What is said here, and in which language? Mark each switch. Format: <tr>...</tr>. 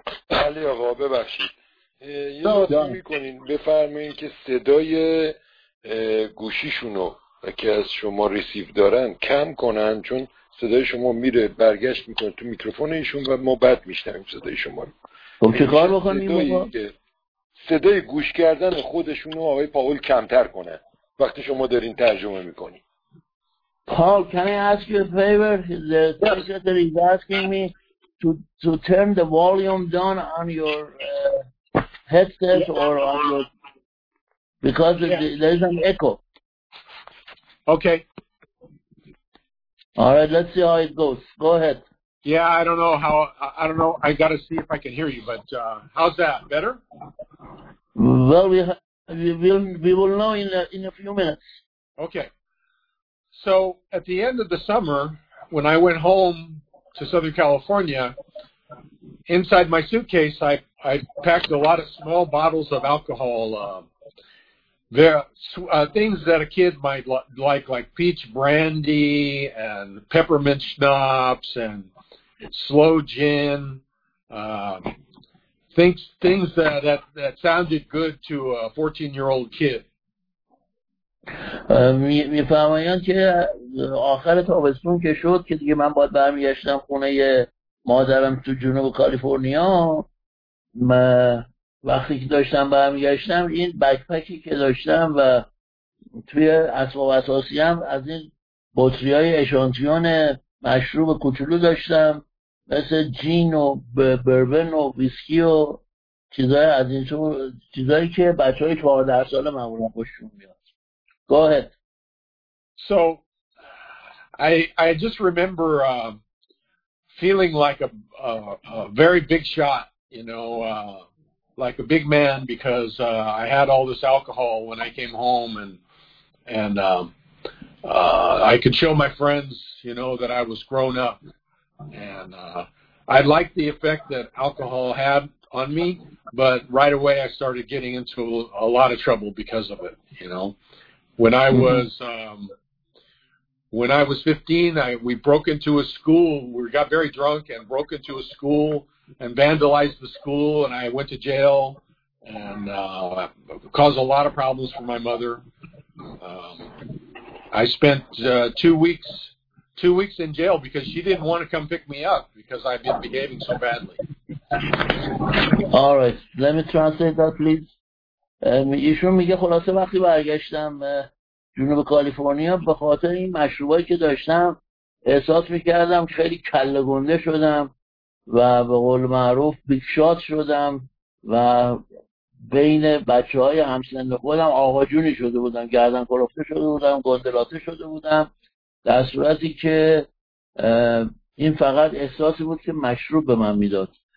<fa>علی آقا ببخشید یه لطفی میکنین بفرمایید که صدای گوشیشونو که از شما ریسیف دارن کم کنن چون صدای شما میره برگشت میکنه تو میکروفون ایشون و ما بد میشنویم صدای شما رو. خب چه کار بکنیم بابا؟ صدای گوش کردن خودشون رو آقای پاول کمتر کنن وقتی شما دارین ترجمه میکنی.</fa> <en>Paul can I ask you a favor? The teacher that is asking me to turn the volume down on your headset or on your because there is an echo. Okay. All right, let's see how it goes. Go ahead. Yeah, I don't know how, I don't know, I got to see if I can hear you, but how's that, better? Well, we will know in a few minutes. Okay. So at the end of the summer, when I went home to Southern California, inside my suitcase, I packed a lot of small bottles of alcohol. There are things that a kid might like peach brandy and peppermint schnapps and slow gin, things that sounded good to a 14-year-old kid.</en> <fa>می‌فهمم که آخر تابستون که شد که دیگه من باید برمیگشتم خونه مادرم تو جنوب کالیفرنیا وقتی که داشتم برمیگشتم این بکپکی که داشتم و توی اسباب اساسی هم از این بطری های اشانتیون مشروب کوچولو داشتم مثل جین و بربن و ویسکی و چیزهای از این چیزهایی که بچه های 14 ساله معمولا خوششون میاد.</fa> <en>Go ahead. So I just remember feeling like a very big shot, you know, like a big man, because I had all this alcohol when I came home, and I could show my friends, you know, that I was grown up. And I liked the effect that alcohol had on me, but right away I started getting into a lot of trouble because of it, you know. When I was when I was 15, we broke into a school. We got very drunk and broke into a school and vandalized the school, and I went to jail and caused a lot of problems for my mother. I spent 2 weeks in jail because she didn't want to come pick me up because I've been behaving so badly. All right, let me translate that, please.</en> <fa>ایشون میگه خلاصه وقتی برگشتم جنوب کالیفرنیا به خاطر این مشروبایی که داشتم احساس میکردم خیلی کله گنده شدم و به قول معروف بیگ شات شدم و بین بچه های همسن خودم آقا جونی شده بودم، گردن کلفته شده بودم، گندلاته شده بودم، در صورتی که این فقط احساسی بود که مشروب به من میداد.</fa>